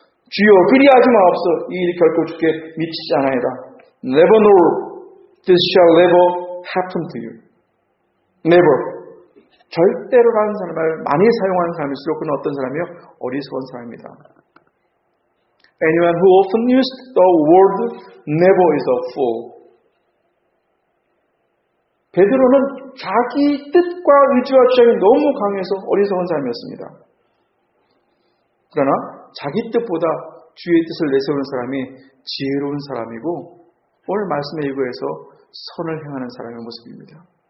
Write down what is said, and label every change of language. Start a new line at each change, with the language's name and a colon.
Korean: 주여 그리하지 마옵소서. 이 일이 결코 주께 미치지 않아이다.
English: Never know. This shall never happen to you. Never.
Korean: 절대로라는 사람을 많이 사용하는 사람일수록 그는 어떤 사람이요? 어리석은 사람입니다.
English: Anyone who often used the word never is a fool.
Korean: 베드로는 자기 뜻과 의지와 주장이 너무 강해서 어리석은 사람이었습니다. 그러나 자기 뜻보다 주의 뜻을 내세우는 사람이 지혜로운 사람이고 오늘 말씀에 의거해서 선을 행하는 사람의 모습입니다.